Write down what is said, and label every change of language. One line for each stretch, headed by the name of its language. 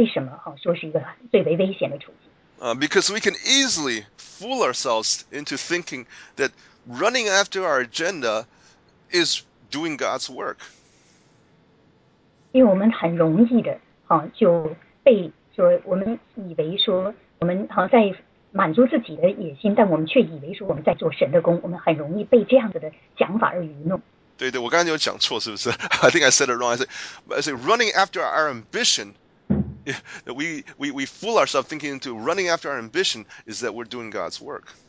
Chinese: 最开始的时候，我们可能会觉得听起来有一些奇怪，但是当我们开始来查验我们的心的时候，我们就会意识到，说它为什么说是一个最为危险的处境。
English: Because we can easily fool ourselves into thinking that running after our agenda is doing God's work.
Chinese: 因为我们很容易的，就被说我们以为说我们在。满足自己的野心，但我们却以为说我们在做神的工，我们很容易被这样子的想法而愚弄。对对，我刚才有讲错，是不是？
English: I think I said it wrong. I say running after our ambition, that we fool ourselves thinking into running after our ambition is that we're doing God's work.